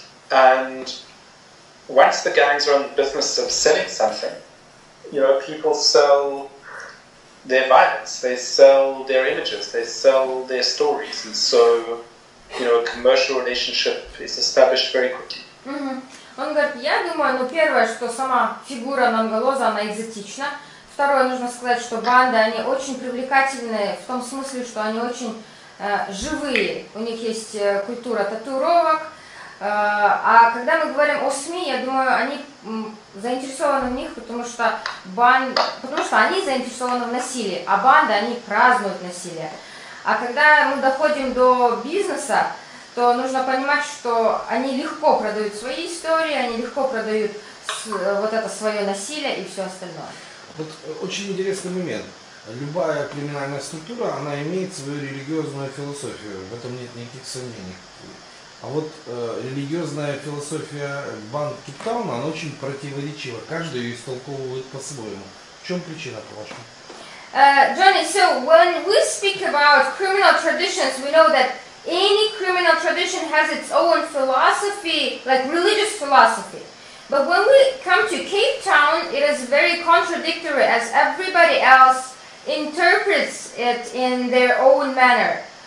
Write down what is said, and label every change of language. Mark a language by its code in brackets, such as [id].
[en] And once the gangs are in the business of selling something, you know, people sell their violence, they sell their images, they sell their stories. And so, you know, a commercial relationship is established very quickly. Mm-hmm. [ru] Он говорит, я думаю, ну первое, что сама фигура Нонголоза, она экзотична. Второе, нужно сказать, что банды, они очень привлекательные в том смысле, что они очень живые. У них есть культура татуировок. А когда мы говорим о СМИ, я думаю, они заинтересованы в них, потому что они заинтересованы в насилии, а банды, они празднуют насилие. А когда мы доходим до бизнеса, то нужно понимать, что они легко продают свои истории, они легко продают вот это свое насилие и все остальное. Вот очень интересный момент. Любая криминальная структура, она имеет свою религиозную философию. В этом нет никаких сомнений. А вот религиозная философия банд Кейптауна, она очень противоречива. Каждый ее истолковывает по-своему. В чем причина, по-вашему? [en] Jonny, so when we speak about criminal traditions, we know that any criminal tradition has its own philosophy, like religious philosophy. But when we come to Cape Town, it is very contradictory, as everybody else interprets it in their own manner.